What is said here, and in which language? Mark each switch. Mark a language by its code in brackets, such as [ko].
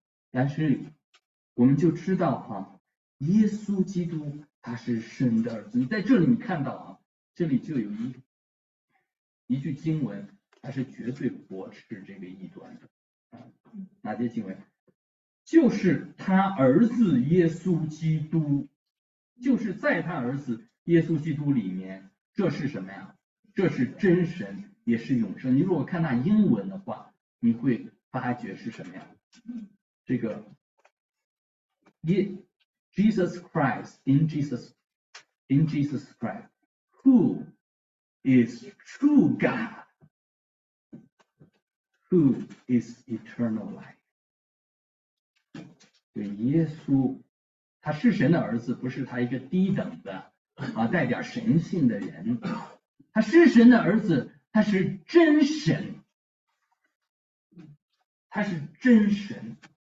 [zh] 但是我们就知道哈，耶稣基督他是神的儿子。你在这里你看到啊，这里就有一句经文，它是绝对驳斥这个异端的。哪些经文？就是他儿子耶稣基督，就是在他儿子耶稣基督里面，这是什么呀？这是真神，也是永生。你如果看那英文的话，你会发觉是什么呀？ [en] 这个Jesus Christ, in Jesus Christ, who is true God, who is eternal life. [zh] 对，耶稣他是神的儿子，不是他一个低等的啊带点神性的人，他是神的儿子，他是真神，他是真神。